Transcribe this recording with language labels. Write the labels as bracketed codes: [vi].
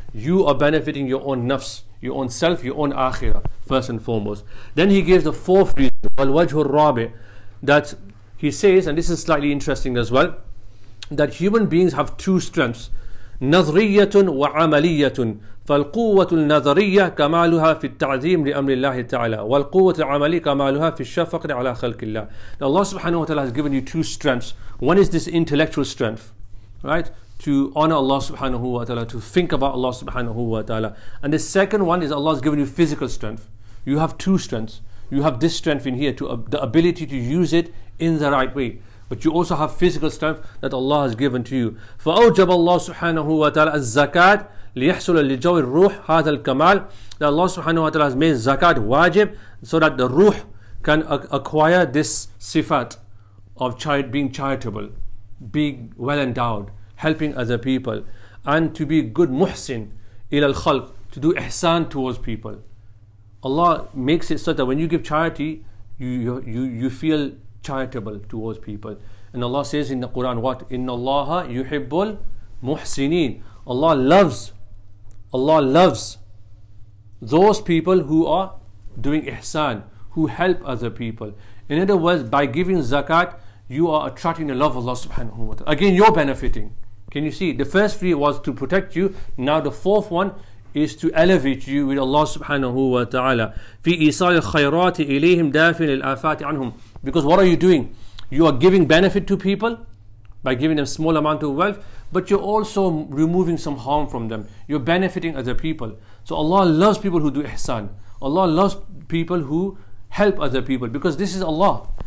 [en] You are benefiting your own nafs, your own self, your own akhirah first and foremost. Then he gives the fourth reason, al-wajhu al-rabi, that he says, and this is slightly interesting as well, that human beings have two strengths, nazriyatun wa amaliyatun. [ar] فالقوة النظرية كمالها في التعظيم لأمر الله تعالى والقوة العملية كمالها في الشفقة على خلق الله. [en] Now Allah subhanahu wa ta'ala has given you two strengths. One is this intellectual strength, right? To honor Allah subhanahu wa ta'ala, to think about Allah subhanahu wa ta'ala. And the second one is Allah has given you physical strength. You have two strengths. You have this strength in here, the ability to use it in the right way. But you also have physical strength that Allah has given to you. [ar] فأوجب الله سبحانه وتعالى الزكاة ليحصل لجو الروح هذا الكمال. [en] That Allah subhanahu wa ta'ala has made zakat wajib so that the ruh can acquire this sifat of being charitable, being well endowed, helping other people, and to be good muhsin ila al-khalq, to do ihsan towards people. Allah makes it so that when you give charity, you feel charitable towards people. And Allah says in the Quran, what? Inna Allaha yuhibbul muhsinin. Allah loves those people who are doing ihsan, who help other people. In other words, by giving zakat, you are attracting the love of Allah subhanahu wa ta'ala. Again, you're benefiting. Can you see? The first three was to protect you. Now the fourth one is to elevate you with Allah subhanahu wa ta'ala. [ar] في إيصال الخيرات إليهم دافن الآفات عنهم. [en] Because what are you doing? You are giving benefit to people by giving them small amount of wealth, but you're also removing some harm from them. You're benefiting other people. So Allah loves people who do ihsan. Allah loves people who help other people, because this is Allah.